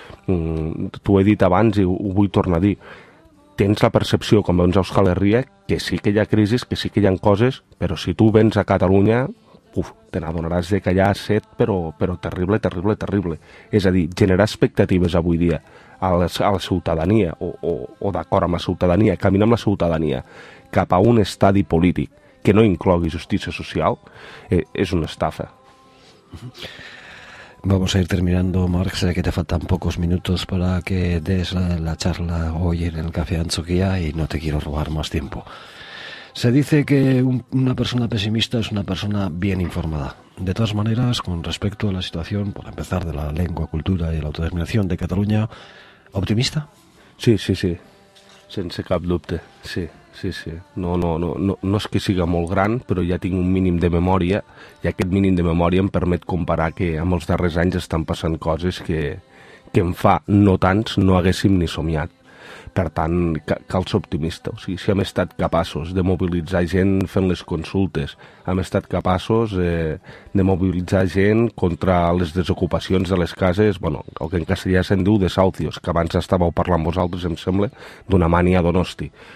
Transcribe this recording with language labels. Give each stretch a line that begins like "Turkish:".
Catalan: T'ho he dit abans i ho vull tornar a dir. Tens la percepció, com veus a Euskal Herria, que sí que hi ha crisis, que sí que hi ha coses, però si tu vens a Catalunya, te n'adonaràs que hi ha set, però terrible, terrible, terrible. És a dir, generar expectatives avui dia a la ciutadania o d'acord amb la ciutadania, caminar amb la ciutadania cap a un estadi polític que no inclogui justícia social, és una estafa.
Spanish: Vamos a ir terminando, Marc. Sé que te faltan pocos minutos para que des la charla hoy en el Café Antzokia y no te quiero robar más tiempo. Se dice que una persona pesimista es una persona bien informada. De todas maneras, con respecto a la situación, por empezar, de la lengua, cultura y la autodeterminación de Cataluña, ¿optimista?
Catalan: Sí, sí, sí. Sense cap dubte. Sí. Sí, sí. No és que siga molt gran, però ja tinc un mínim de memòria i aquest mínim de memòria em permet comparar que en els darrers anys estan passant coses que en fa no tants no haguéssim ni somiat. Per tant, cal ser optimista. O sigui, si hem estat capaços de mobilitzar gent fent les consultes, hem estat capaços de mobilitzar gent contra les desocupacions de les cases, bueno, el que en castellà se'n diu desahucios, que abans estàveu parlant vosaltres, em sembla, d'una mania d'Onosti.